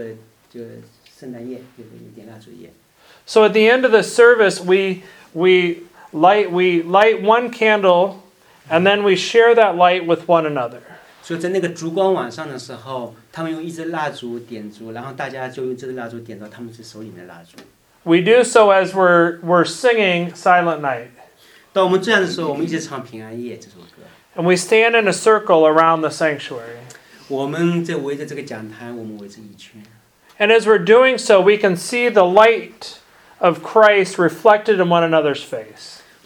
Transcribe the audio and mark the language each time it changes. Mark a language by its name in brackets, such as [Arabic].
[Chinese] 在圣诞前夜的时候,他们会点蜡烛,有一个圣诞夜,点蜡烛夜。 [English] So at the end of the service, we light one candle, and then we share that light with one another. [Chinese] 所以在那个烛光晚上的时候，他们用一支蜡烛点烛，然后大家就用这支蜡烛点着他们手里面的蜡烛。 [English] We do so as we're singing Silent Night. [Chinese] 当我们这样的时候，我们一直唱平安夜这首歌。 [English] And we stand in a circle around the sanctuary. [Chinese] 我们在围着这个讲台，我们围着一圈。 [English] And as we're doing so, we can see the light of Christ reflected in one another's face.